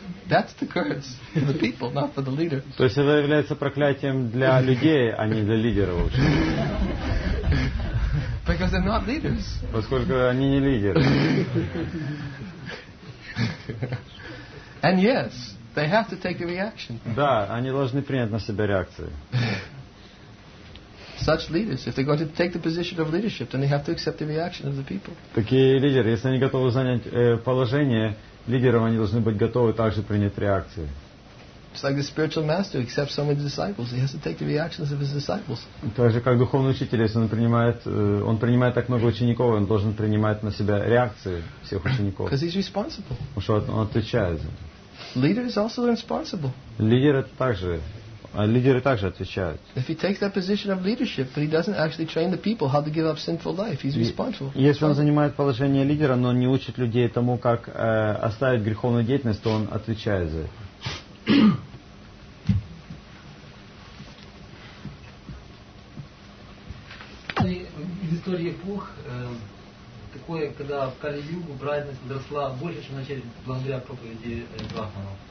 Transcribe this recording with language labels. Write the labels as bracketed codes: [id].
[en] That's the curse for the people, not for the leader. [ru] То есть это является проклятием для людей, а не для лидеров. [en] Because they're not leaders. [ru] Поскольку они не лидеры. [en] And yes, they have to take a reaction. [ru] Да, они должны принять на себя реакцию. [en] Such leaders, if they're going to take the position of leadership, then they have to accept the reaction of the people. [ru] Такие лидеры, если они готовы занять положение лидеров, они должны быть готовы также принять реакции. [en] It's like the spiritual master accepts some of his disciples. He has to take the reactions of his disciples. [ru] Так же, как духовный учитель, если он принимает так много учеников, он должен принимать на себя реакции всех учеников. [en] Because he's responsible. [ru] Потому что он отвечает за. [en] Leader is also responsible. [ru] Лидеры также отвечают. [en] If he takes that position of leadership, but he doesn't actually train the people how to give up sinful life, he's responsible. [ru] Если он занимает положение лидера, но не учит людей тому, как оставить греховную деятельность, то он отвечает за это. В истории эпох такое, когда в Кали-югу праведность доросла больше, чем начали благодаря проповеди Брахмана.